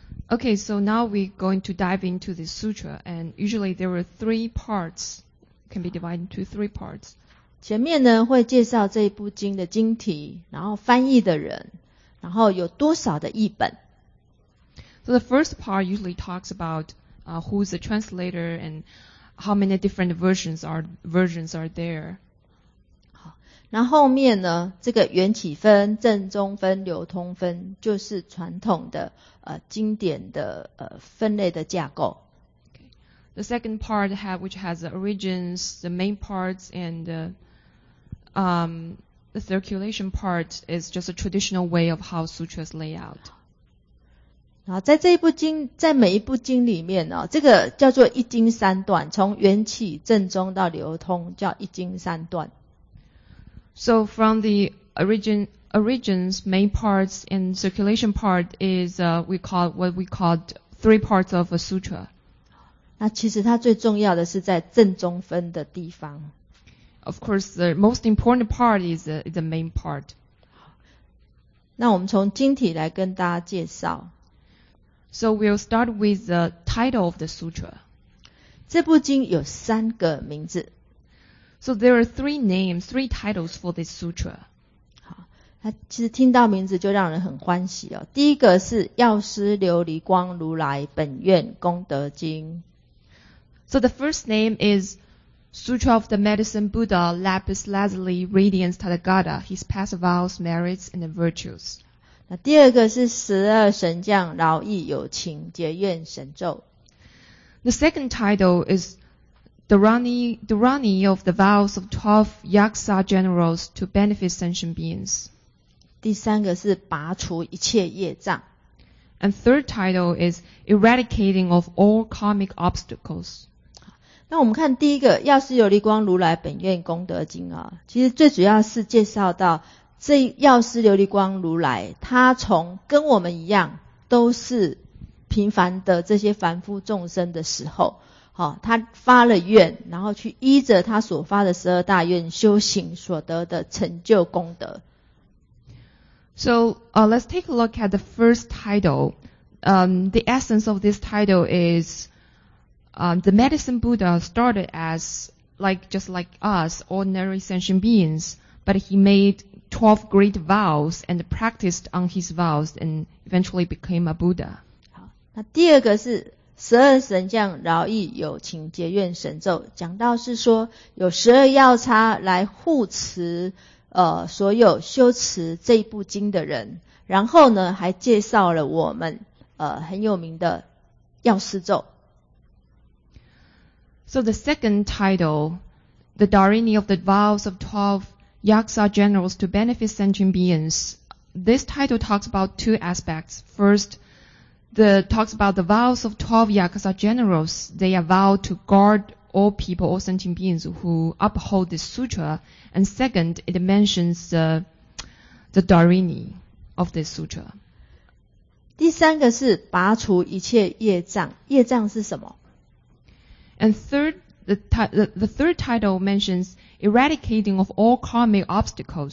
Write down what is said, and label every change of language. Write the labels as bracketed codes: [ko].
[en] Okay, so now we're going to dive into this sutra, and usually there are three parts, can be divided into three parts. [zh] 前面呢会介绍这部经的经题，然后翻译的人，然后有多少的译本。 [en] So the first part usually talks about who's the translator and how many different versions are there. [zh] 好，那后面呢这个缘起分正中分流通分就是传统的经典的分类的架构。 [en] Okay. The second part which has the origins, the main parts and the circulation part is just a traditional way of how sutras lay out. [zh] 然后在这一部经，在每一部经里面哦，这个叫做一经三段，从缘起正中到流通叫一经三段。 [en] So from the origins, main parts and circulation part is what we called three parts of a sutra. [zh] 那其实它最重要的是在正中分的地方。 [en] Of course, the most important part is the main part. [zh] 那我们从经体来跟大家介绍。 [en] So we'll start with the title of the sutra. [zh] 这部经有三个名字。 [en] So there are three names, three titles for this sutra. [zh] 好，它其实听到名字就让人很欢喜哦。第一个是药师琉璃光如来本愿功德经。 [en] So the first name is Sutra of the Medicine Buddha Lapis Lazuli Radiance Tathagata, His Past Vows, Merits and Virtues. [zh] 那第二个是十二神将饶益有情结愿神咒。 [en] The second title is Dharani of the Vows of 12 Yaksa Generals to Benefit Sentient Beings. [zh] 第三个是拔除一切业障。 [en] And third title is Eradicating of All Karmic Obstacles. 那 [zh] 那我们看第一个药师琉璃光如来本愿功德经啊，其实最主要是介绍到这药师琉璃光如来，他从跟我们一样都是平凡的这些凡夫众生的时候，好，他发了愿，然后去依着他所发的十二大愿修行所得的成就功德。 [en] So, let's take a look at the first title. The essence of this title is, the Medicine Buddha started as just like us, ordinary sentient beings, but he made 12 great vows and practiced on his vows and eventually became a Buddha. [zh] 好，那第二个是十二神将饶益有情结愿神咒，讲到是说有十二药叉来护持所有修持这一部经的人，然后呢还介绍了我们很有名的药师咒。 [en] So the second title, the Dharini of the Vows of 12 Yaksa Generals to Benefit Sentient Beings, this title talks about two aspects. First, talks about the vows of 12 Yaksa Generals. They are vowed to guard all people, all sentient beings who uphold this sutra. And second, it mentions the Dharini of this sutra. [zh] 第三个是拔除一切业障，业障是什么？ [en] And third, the third title mentions eradicating of all karmic obstacles.